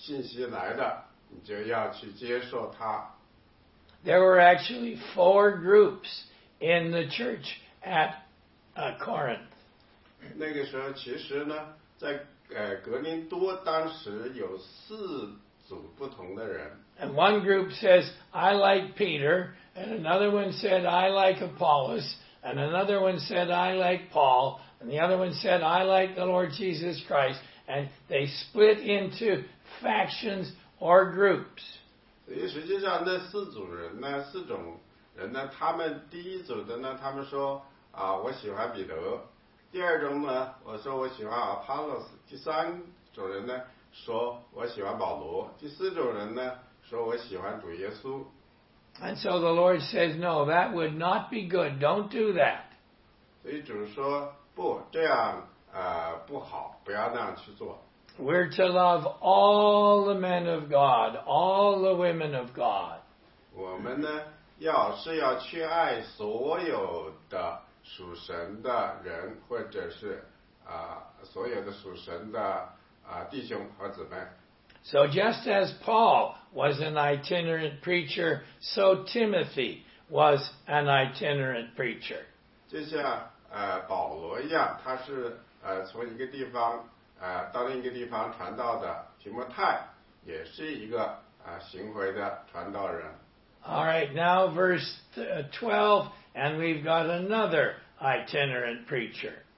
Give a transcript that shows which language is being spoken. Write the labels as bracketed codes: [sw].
[zh] 所以保罗说呢，提摩太来了，无论你喜欢不喜欢他，你就爱他，你就尊重他。如果这个传道人他是带着神的信息来的，你就要去接受他。 [en] There were actually four groups in the church at Corinth. [zh] 那个时候其实呢， 在格林多当时有四组不同的人。 [en] And one group says, I like Peter. And another one said, I like Apollos. And another one said, I like Paul. And the other one said, I like the Lord Jesus Christ. And they split into factions or groups. [zh] 所以实际上那四种人呢，他们第一组的呢，他们说，我喜欢彼得。第二种呢，我说我喜欢Apollos。第三种人呢，说我喜欢保罗。第四种人呢，说我喜欢主耶稣。 [en] And so the Lord says, no, that would not be good. Don't do that. [zh] 所以主说不这样，不好，不要那样去做。 [en] We're to love all the men of God, all the women of God. [zh] 我们呢，要是要去爱所有的属神的人，或者是所有的属神的弟兄和姊妹。 [en] So just as Paul was an itinerant preacher, so Timothy was an itinerant preacher. [zh] 就像保罗一样，他是从一个地方到另一个地方传道的。提摩太也是一个巡回的传道人。 [en] All right, now verse 12, and we've got another itinerant preacher.